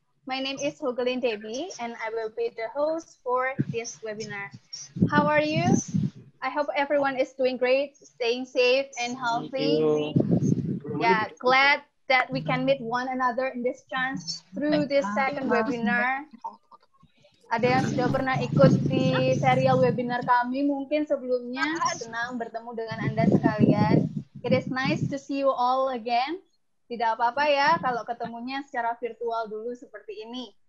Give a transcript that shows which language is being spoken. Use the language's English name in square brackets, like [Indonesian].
[English] My name is Hugelin Devi and I will be the host for this webinar. How are you? I hope everyone is doing great, staying safe and healthy. Yeah, glad that we can meet one another in this chance through this second webinar. [Indonesian] Ada yang sudah pernah ikut di serial webinar kami mungkin sebelumnya. Senang bertemu dengan Anda sekalian. [English] It is nice to see you all again. [Indonesian] Tidak apa-apa ya kalau ketemunya secara virtual dulu seperti ini.